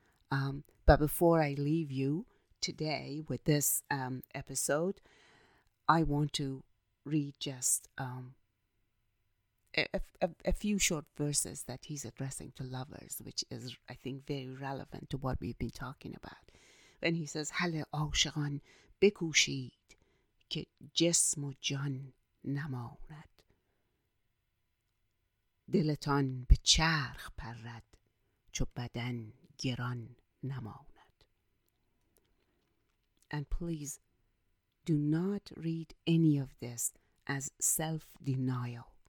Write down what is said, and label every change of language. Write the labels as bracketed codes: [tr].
[en] But before I leave you today with this episode, I want to read just a few short verses that he's addressing to lovers, which is, I think, very relevant to what we've been talking about. When he says, [fa] هله عاشقان بکوشید که جسم و جان نماند, دلتان به چرخ پرد چو بدن گران نماند. [en] And please do not read any of this as self-denial.